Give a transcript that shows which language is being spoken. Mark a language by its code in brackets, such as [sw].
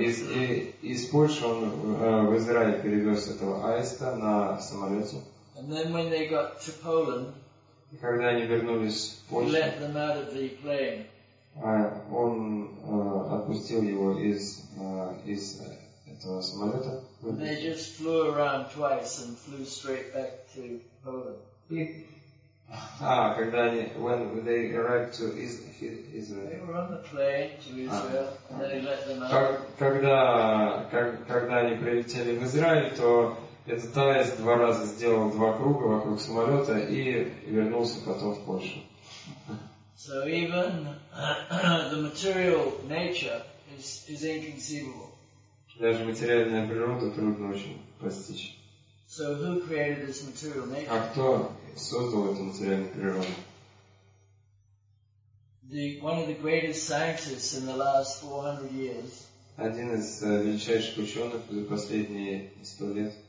[ru] Из Польши он в Израиль перевез этого аиста на самолете. [en] And then when they got to Poland, [ru] когда они вернулись в Польшу, [en] let them out of the plane. [ru] Он отпустил его из этого самолета. [en] And they just flew around twice and flew straight back to Poland. [ru] Когда они [en] when they arrived to Israel. They were on the plane to Israel, and then they let them out. [ru] Когда они прилетели в Израиль, то этот аист два раза сделал два круга вокруг самолета и вернулся потом в Польшу. [en] So even the material nature is inconceivable. [ru] Даже материальная природа трудно очень постичь. [en] So who created this material nature? [ru] А кто создал эту материальную природу? [en] One of the greatest scientists in the last 400 years. [ru] Один из величайших ученых за последние 100 лет.